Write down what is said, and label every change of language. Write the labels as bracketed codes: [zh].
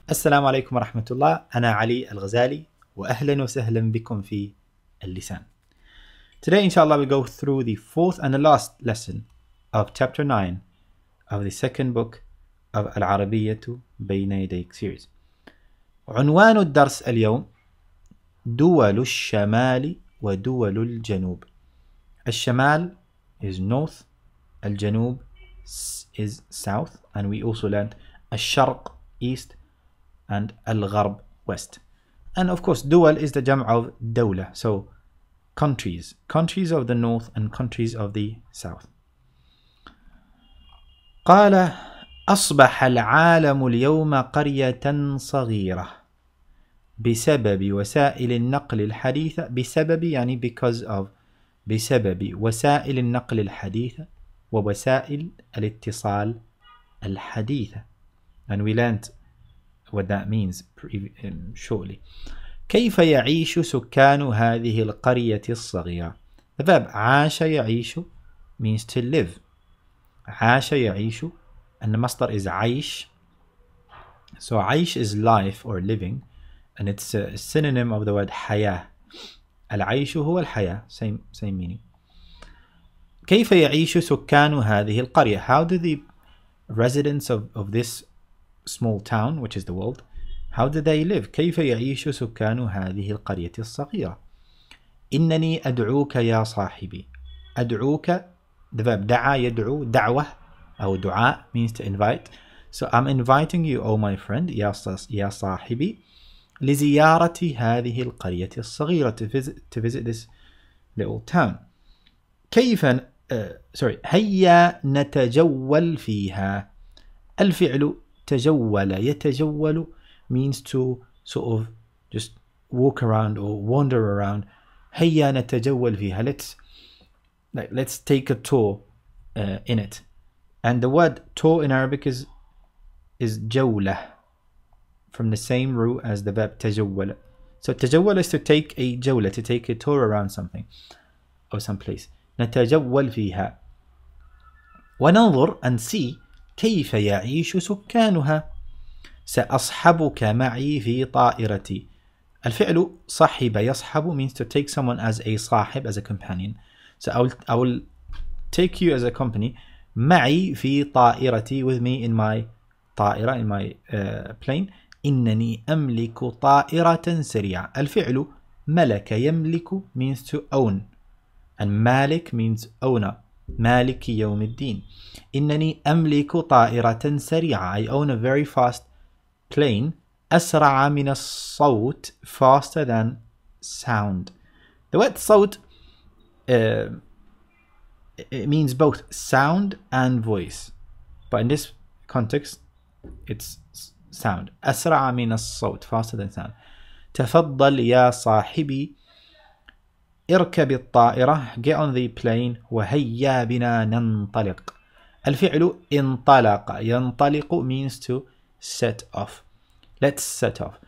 [ar] السلام عليكم ورحمة الله، أنا علي الغزالي وأهلا وسهلا بكم في اللسان. [en] Today inshallah we go through the fourth and the last lesson of chapter 9 of the second book of [ar] العربية بين يديك [en] series. [ar] عنوان الدرس اليوم دول الشمال ودول الجنوب. [en] الشمال is north, الجنوب is south, and we also learned الشرق east and الغرب west. And of course دول is the جمع of دولة, so countries, countries of the north and countries of the south. [ar] قال أصبح العالم اليوم قرية صغيرة بسبب وسائل النقل الحديثة. بسبب يعني [en] because of, [ar] بسبب وسائل النقل الحديثة ووسائل الاتصال الحديثة. [en] And we learned what that means shortly. [ar] كيف يعيش سكان هذه القرية الصغيرة. [en] The verb عاش يعيش means to live. عاش يعيش, and the مصدر is عيش. So عيش is life or living, and it's a synonym of the word حياة. [ar] العيش هو الحياة, same meaning. كيف يعيش سكان هذه القرية. [en] How do the residents of this small town, which is the world, how do they live? [ar] كيف يعيش سكان هذه القرية الصغيرة. إنني أدعوك يا صاحبي. أدعوك, [en] the verb [ar] دعا يدعو, دعوة أو دعاء [en] means to invite. So I'm inviting you, oh my friend, [ar] يا صاحبي, لزيارة هذه القرية الصغيرة, [en] to visit this little town. [ar] كيف هيا نتجول فيها. [en] الفعل تجول, يتجول means to sort of just walk around or wander around. [ar] هيا نتجول فيها, [en] let's take a tour in it. And the word tour in Arabic is جولة, from the same root as the verb تجول. So تجول is to take a جولة, to take a tour around something or some place. [ar] نتجول فيها وننظر, [en] and see [ar] كيف يعيش سكانها. سأصحبك معي في طائرتي. [en] الفعل صحب, يصحب means to take someone as a صاحب, as a companion. So I will take you as a company. [ar] معي في طائرتي, [en] with me in my طائرة, in my plane. [ar] إنني أملك طائرة سريعة. الفعل ملك, يملك [en] means to own, [ar] and مالك [en] means owner, [ar] مالك يوم الدين. إنني أملك طائرة سريعة, [en] I own a very fast plane. [ar] أسرع من الصوت, [en] faster than sound. The word صوت, it means both sound and voice, but in this context it's sound. [ar] أسرع من الصوت, [en] faster than sound. [ar] تفضل يا صاحبي, اركب الطائرة, [en] get on the plane, [ar] وهيا بنا ننطلق. الفعل انطلق, ينطلق [en] means to set off. Let's set off.